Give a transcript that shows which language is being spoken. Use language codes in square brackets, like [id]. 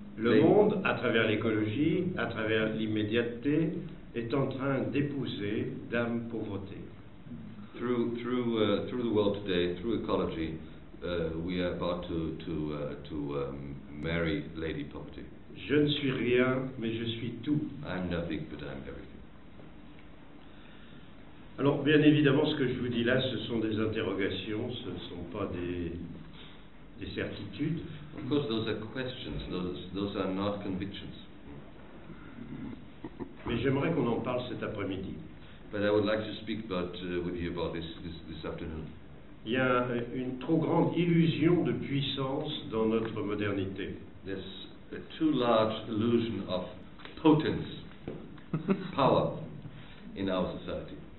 [fr] Le monde, à travers l'écologie, à travers l'immédiateté, est en train d'épouser Dame Pauvreté. [en] Through the world today, through ecology, we are about to marry Lady Poverty. [fr] Je ne suis rien, mais je suis tout. [en] I'm nothing, but I'm everything. [fr] Alors, bien évidemment, ce que je vous dis là, ce sont des interrogations, ce ne sont pas des certitudes. [en] Of course, those are questions. Those are not convictions. [fr] Mais j'aimerais qu'on en parle cet après-midi. [en] But I would like to speak about, with you about this afternoon. [fr] Il y a une trop grande illusion de puissance dans notre modernité. [en] There's a too large illusion of potence, power, in our society.